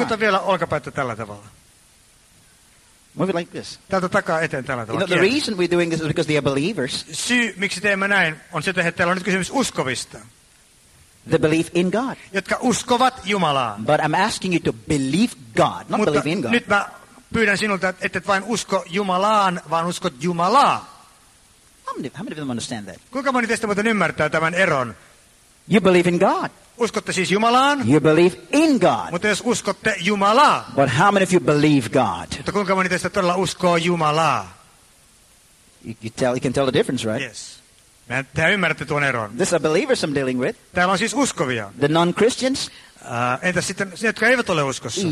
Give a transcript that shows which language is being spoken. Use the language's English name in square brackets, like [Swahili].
[Finnish] Liikuta vielä olkapäätä tällä tavalla. [English] Move it like this. [Finnish] Tältä takaa eteen tällä tavalla. [English] You know, the reason we're doing this is because they are believers. [Finnish] Syy, miksi teemme näin, on se, että täällä on nyt kysymys uskovista. [English] The belief in God. [Finnish] Jotka uskovat Jumalaa. [English] But I'm asking you to believe God, not [Finnish] Mutta [English] believe in God. [Finnish] Nyt mä pyydän sinulta, että et vain usko Jumalaan, vaan uskot Jumalaa. [English] How many of them understand that? [Finnish] Kuinka moni teistä muuten ymmärtää tämän eron? [English] You believe in God. [Finnish] Uskotte siis Jumalaan. [English] You believe in God. [Finnish] Mutta jos uskotte Jumalaa. [English] But how many of you believe God? [Finnish] Mutta kuinka moni teistä todella uskoo Jumalaa? [English] You can tell the difference, right? Yes. [Finnish] Te ymmärrätte tuon eron. [English] This is a believer I'm dealing with. [Finnish] Täällä on siis uskovia. [English] The non-Christians. [Finnish] Entä sitten ne, jotka eivät ole uskossa?